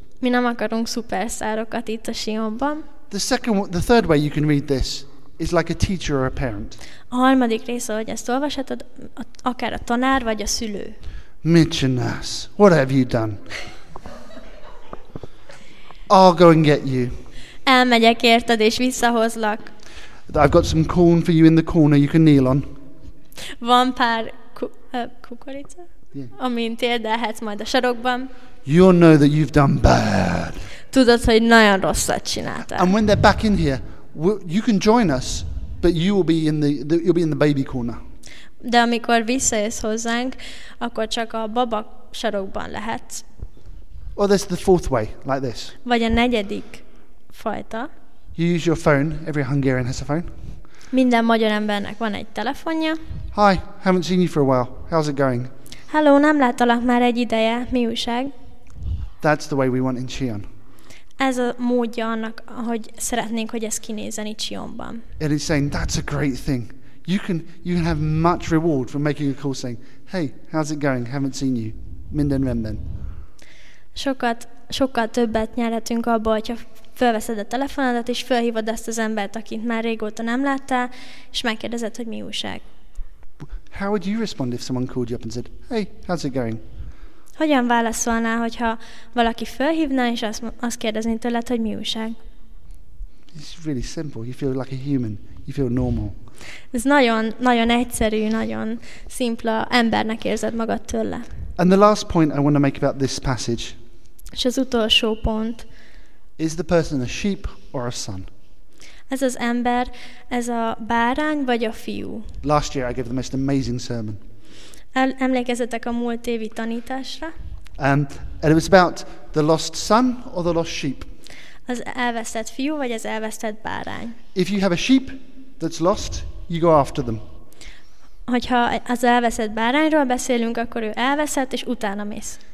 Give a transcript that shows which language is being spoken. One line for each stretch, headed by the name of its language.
Hungarian: Mi nem akarunk szupersztárokat itt a Sionban.
English: The third way you can read this is like a teacher or a parent.
Hungarian: A harmadik része, hogy ezt olvashatod, akár a tanár vagy a szülő.
English: Mitch and Nass, what have you done? I'll go and get you.
Hungarian: Elmegyek érted és visszahozlak.
English: I've got some corn for you in the corner you can kneel on.
Hungarian: Van pár kukorica, yeah. Amin térdelhetsz majd a sarokban.
English: You'll know that you've done bad.
Hungarian: Tudod, hogy nagyon rosszat csináltál.
English: And when they're back in here, you can join us, but you will be in you'll be in the baby corner.
Hungarian: De amikor visszajössz hozzánk, akkor csak a baba sarokban lehetsz.
English: Or there's the fourth way, like this.
Hungarian: Vagy a negyedik fajta.
English: You use your phone. Every Hungarian has a phone.
Hungarian: Minden magyar embernek van egy telefonja.
English: Hi, haven't seen you for a while. How's it going?
Hungarian: Hello, nem láttalak már egy ideje. Mi újság?
English: That's the way we want in Sion.
Hungarian: Ez a módja annak, hogy szeretnénk, hogy ez kinézzen itt Sionban.
English: It is saying that's a great thing. You can have much reward for making a call saying, "Hey, how's it going? Haven't seen you.
Hungarian: Minden rendben." Sokkal többet nyerhetünk abból, hogyha felveszed a telefonodat és felhívod ezt az embert, akit már régóta nem láttál, és megkérdezed, hogy mi újság.
English: How would you respond if someone called you up and said, "Hey, how's it going?"
Hungarian: Hogyan válaszolnál, hogyha valaki felhívná és azt kérdezné tőled, hogy mi újság?
English: It's really simple. You feel like a human. You feel normal.
Hungarian: Ez nagyon, nagyon egyszerű, nagyon szimpla embernek érzed magad tőle.
English: And the last point I want to make about this passage.
Hungarian: És az utolsó pont.
English: Is the person a sheep or a son?
Hungarian: Ez az ember, ez a bárány vagy a fiú?
English: Last year I gave the most amazing sermon.
Hungarian: Emlékezzetek a múlt évi tanításra?
English: And it was about the lost son or the lost sheep.
Hungarian: Az elvesztett fiú vagy az elvesztett bárány?
English: If you have a sheep that's lost, you go after them.
Hungarian: Hogyha az elveszett bárányról beszélünk, akkor ő elveszett és utána mész.